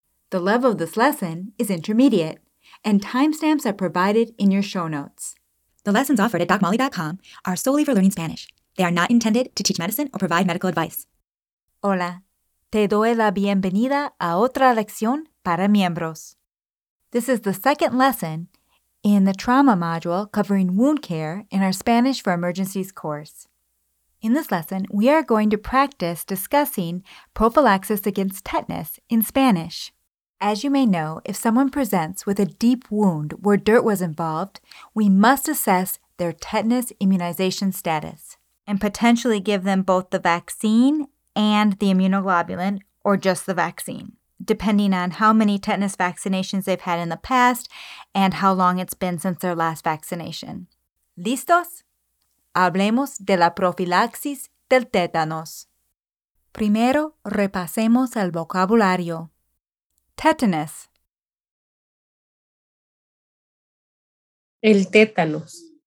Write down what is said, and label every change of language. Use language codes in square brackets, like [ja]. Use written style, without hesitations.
[en] The level of this lesson is intermediate, and timestamps are provided in your show notes. The lessons offered at DocMolly.com are solely for learning Spanish. They are not intended to teach medicine or provide medical advice. [es] Hola. Te doy la bienvenida a otra lección para miembros. [en] This is the second lesson in the trauma module covering wound care in our Spanish for Emergencies course. In this lesson, we are going to practice discussing prophylaxis against tetanus in Spanish. As you may know, if someone presents with a deep wound where dirt was involved, we must assess their tetanus immunization status and potentially give them both the vaccine and the immunoglobulin, or just the vaccine, depending on how many tetanus vaccinations they've had in the past and how long it's been since their last vaccination. [es] ¿Listos? Hablemos de la profilaxis del tétanos. Primero, repasemos el vocabulario. [en] Tetanus. [es] El tétanos.